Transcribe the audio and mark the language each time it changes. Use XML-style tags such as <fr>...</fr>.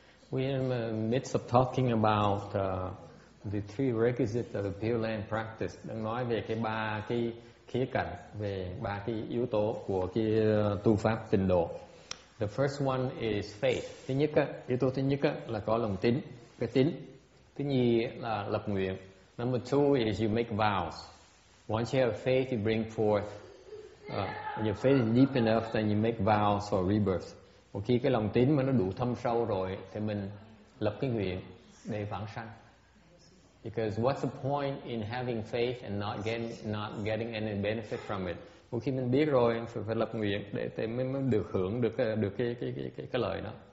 <en>We're in the midst of talking about the three requisites of the Pureland practice.</en> <vi>Đang nói về cái ba cái khía cạnh, về ba cái yếu tố của cái tu pháp tịnh độ.</vi> <en>The first one is faith.</en> <vi>Thứ nhất á, yếu tố thứ nhất á là có lòng tín, cái tín. Thứ nhì là lập nguyện.</vi> <en>Number two is you make vows. Once you have faith, you bring forth. Your faith is deep enough, then you make vows for rebirth.</en> <vi>Một khi cái lòng tín mà nó đủ thâm sâu rồi thì mình lập cái nguyện để vãng sanh.</vi> <en>Because what's the point in having faith and not getting any benefit from it?</en> <vi>Một khi mình biết rồi phải lập nguyện để thì mình mới được hưởng được cái lợi đó.</vi>